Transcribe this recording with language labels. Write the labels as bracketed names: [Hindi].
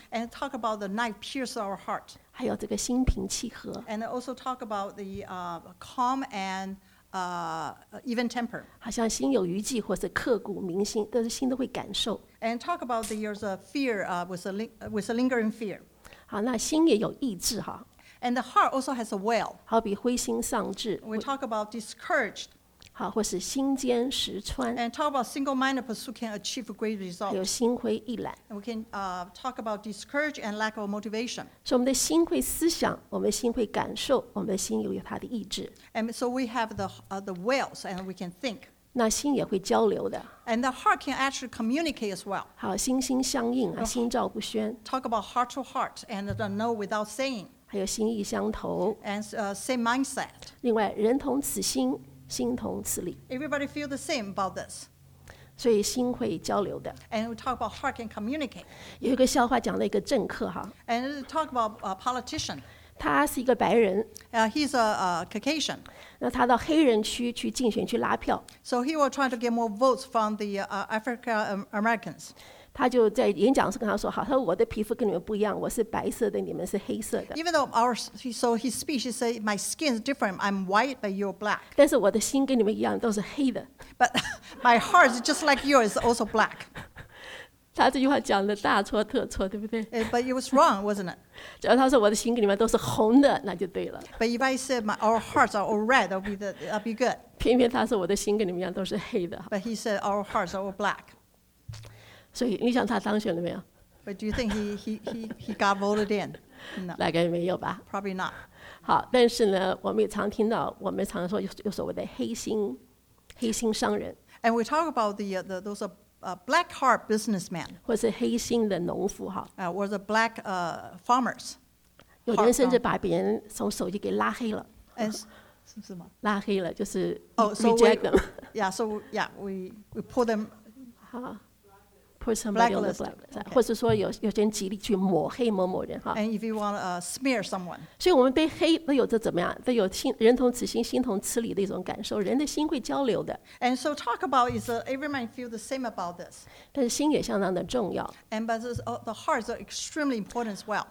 [English] And talk about the knife pierce our heart. [Chinese] 还有这个心平气和。 [English] And also talk about the calm and even temper. [Chinese] 好像心有余悸，或是刻骨铭心，都是心都会感受。 [English] And talk about the years of fear, with a lingering fear. [Chinese] 好，那心也有意志哈。 [English] And the heart also has a will. [Chinese] 好比灰心丧志。 [English] We talk about discouraged. [Chinese] 好，或是心坚石穿。 [English] And talk about single-minded pursuit can achieve great results. [Chinese] 有心灰意懒。 [English] And we can talk about discouragement and lack of motivation. [Chinese] 所以我们的心会思想，我们的心会感受，我们的心有它的意志。 [English] And so we have the wills and we can think. [Chinese] 那心也会交流的。 [English] And the heart can actually communicate as well. [Chinese] 好，心心相印啊，心照不宣。 [English] Talk about heart to heart and the know without saying. [Chinese] 还有心意相投。 [English] And same mindset. [Chinese] 另外，人同此心。心同此理。 [English] Everybody feel the same about this. [Chinese] 所以心会交流的。 [English] And we talk about heart can communicate. [Chinese] 有一个笑话讲了一个政客哈。 [English] And talk about a politician. [Chinese] 他是一个白人。 [English] He's a Caucasian. [Chinese] 那他到黑人区去竞选去拉票。 [English] So he was trying to get more votes from the African Americans. [Chinese] 他就在演讲时跟他说好，他说我的皮肤跟你们不一样，我是白色的，你们是黑色的。 [English] Even though his speech is saying my skin is different, I'm white, but you're black. [Chinese] 但是我的心跟你们一样，都是黑的。 [English] But my heart is just like yours, also black. [Chinese] 他这句话讲的大错特错，对不对 [English] ？But it was wrong, wasn't it? [Chinese] 只要他说我的心跟你们都是红的，那就对了。 [English] But if I said our hearts are all red, that'll be that'll be good. [Chinese] 偏偏他说我的心跟你们一样都是黑的。 [English] But he said our hearts are all black. [Chinese] 所以你想他当选了没有 [English] ？But do you think he got voted in? No, [Chinese] 大概没有吧。 [English] Probably not. [Chinese] 好，但是呢，我们也常听到，我们常说有所谓的黑心商人。 [English] And we talk about the those black heart businessman. [Chinese] 或是黑心的农夫哈。 [English] Was a black farmers. [Chinese] 有人甚至把别人从手机给拉黑了。是吗？拉黑了就是 [English] reject them. Yeah, so yeah, we pull them. Put somebody on the blacklist. [Chinese] 或是说有些人极力去抹黑某某人哈。 [English] And if you want to smear someone. [Chinese] 所以我们被黑，那有这怎么样？这有人同此心，心同此理的一种感受。人的心会交流的。 [English] And so talk about is everyone feel the same about this. [Chinese] 但是心也相当的重要。 [English] And but the heart is extremely important as well.